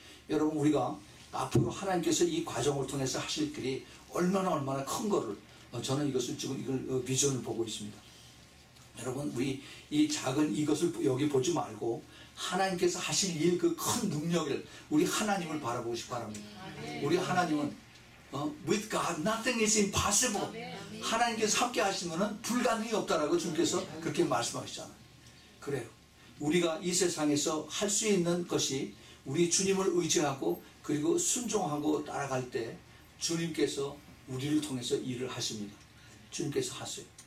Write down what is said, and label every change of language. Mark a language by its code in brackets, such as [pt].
[ko] 여러분 우리가 앞으로 하나님께서 이 과정을 통해서 하실 일이 얼마나 큰 거를 저는 이것을 지금 이걸 비전을 보고 있습니다. 여러분 우리 이 작은 이것을 여기 보지 말고 하나님께서 하실 일 그 큰 능력을 우리 하나님을 바라보시기 바랍니다. 우리 하나님은 [en] with God nothing is impossible. [ko] 하나님께서 함께 하시면은 불가능이 없다라고 주님께서 그렇게 말씀하시잖아요. 그래요. 우리가 이 세상에서 할 수 있는 것이 우리 주님을 의지하고 그리고 순종하고 따라갈 때 주님께서 우리를 통해서 일을 하십니다. 주님께서 하세요.